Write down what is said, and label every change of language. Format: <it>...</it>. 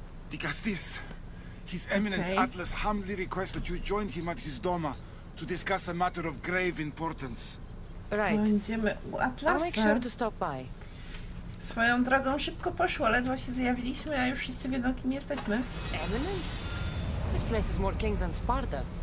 <en>Dicastis, His Eminence Atlas humbly requests that you join him at his doma to discuss a matter of grave importance. Right.</en> <pl>Będziemy u Atlasa.</pl> <en>I'll make sure to stop by.</en> <pl>Swoją drogą szybko poszło, ledwo się zjawiliśmy, a już wszyscy wiedzą, kim jesteśmy.</pl> <en>Eminence? This place is more kings than Sparta.</en>